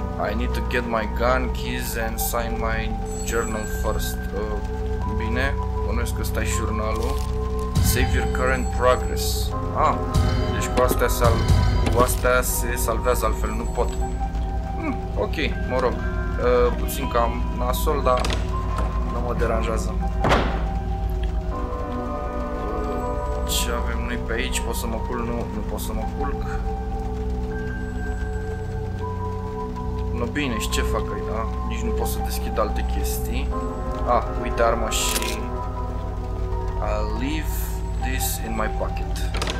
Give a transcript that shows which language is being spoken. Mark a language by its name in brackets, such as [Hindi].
[English] I need to get my gun, keys and sign my journal first. [Romanian] Bine, bănuiesc că ăsta-i jurnalul. [English] Save your current progress. [Romanian] Deci cu astea se salvează altfel, nu pot. Ok, mă rog. Puțin cam nasol, dar nu mă deranjează. Ce avem noi pe aici? Pot să mă culc? Nu pot să mă culc. No, bine, și ce fac aici, da? Nici nu pot să deschid alte chestii. Uite arma și... [English] I'll leave this in my pocket.